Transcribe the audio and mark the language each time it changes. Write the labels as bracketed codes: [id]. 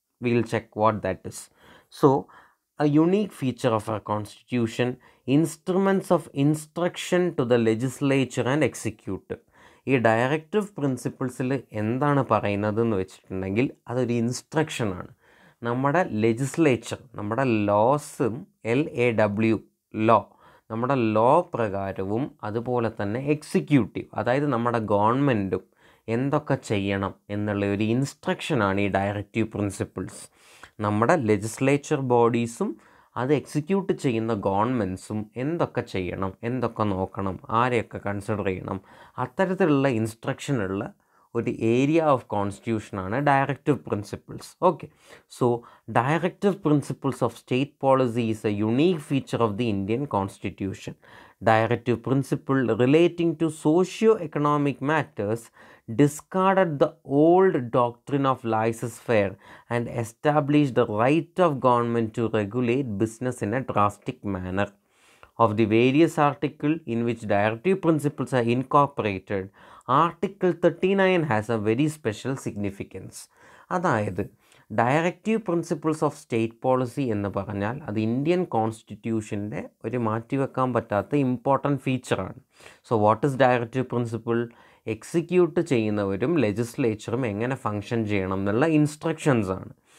[en] We'll check what that is. So a unique feature of our constitution, instruments of instruction to the legislature and executive. [ml] Ee directive principles il endana parayunnathu nu vechittundengil adu or instruction aanu. Nammada legislature, nammada laws, LAW, law. നമ്മുടെ law പ്രകാരവും അതുപോലെ തന്നെ executive, അതായത് നമ്മുടെ ഗവൺമെൻറ്റും എന്തൊക്കെ ചെയ്യണം എന്നുള്ള ഒരു ഇൻസ്ട്രക്ഷനാണ് ഈ ഡയറക്റ്റീവ് പ്രിൻസിപ്പിൾസ്. നമ്മുടെ ലെജിസ്ലേച്ചർ ബോഡീസും അത് എക്സിക്യൂട്ട് ചെയ്യുന്ന ഗവൺമെൻറ്സും എന്തൊക്കെ ചെയ്യണം, എന്തൊക്കെ നോക്കണം, ആരെയൊക്കെ കൺസിഡർ ചെയ്യണം, അത്തരത്തിലുള്ള ഇൻസ്ട്രക്ഷനുള്ള ഒരു area of കോൺസ്റ്റിറ്റ്യൂഷനാണ് directive principles. [en] Okay, so directive principles of state policy is a unique feature of the Indian constitution. Directive principle relating to socio economic matters discarded the old doctrine of laissez faire and establish the right of government to regulate business in a drastic manner. Of the various articles in which directive principles are incorporated, Article 39 has a very special significance. [ml] അതായത് directive principles of state policy എന്ന് പറഞ്ഞാൽ അത് Indian കോൺസ്റ്റിറ്റ്യൂഷൻ്റെ ഒരു മാറ്റിവെക്കാൻ പറ്റാത്ത important ഫീച്ചറാണ്. [en] So what is directive principle? [ml] Execute ചെയ്യുന്നവരും ലെജിസ്ലേച്ചറും എങ്ങനെ function ചെയ്യണം എന്നുള്ള ഇൻസ്ട്രക്ഷൻസാണ്.